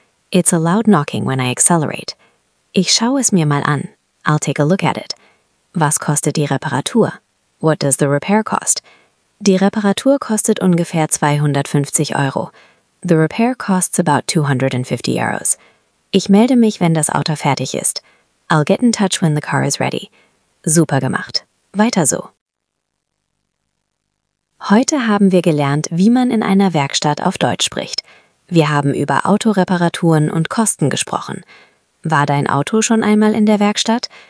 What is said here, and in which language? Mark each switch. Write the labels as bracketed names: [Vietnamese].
[English] It's a loud knocking when I accelerate. [German] Ich schaue es mir mal an. [English] I'll take a look at it. [German] Was kostet die Reparatur? [English] What does the repair cost? [German] Die Reparatur kostet ungefähr 250 Euro. [English] The repair costs about 250 euros. [German] Ich melde mich, wenn das Auto fertig ist. [English] I'll get in touch when the car is ready. [German] Super gemacht. Weiter so. Heute haben wir gelernt, wie man in einer Werkstatt auf Deutsch spricht. Wir haben über Autoreparaturen und Kosten gesprochen. War dein Auto schon einmal in der Werkstatt?